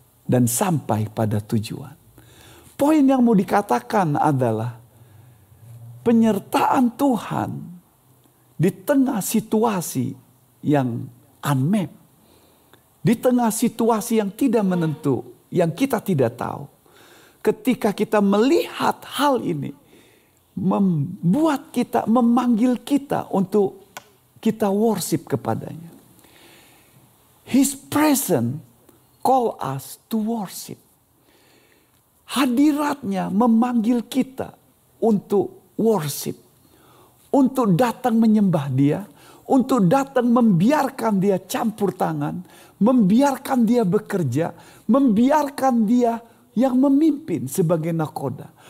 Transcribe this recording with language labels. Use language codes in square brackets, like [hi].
[id] Dan sampai pada tujuan. Poin yang mau dikatakan adalah penyertaan Tuhan di tengah situasi yang unmap, di tengah situasi yang tidak menentu, yang kita tidak tahu. Ketika kita melihat hal ini, membuat kita, memanggil kita untuk kita worship kepadanya. [en] His presence call us to worship. [id] Hadiratnya memanggil kita untuk worship. Untuk datang menyembah dia. Untuk datang membiarkan dia campur tangan. Membiarkan dia bekerja. Membiarkan dia yang memimpin sebagai nakoda.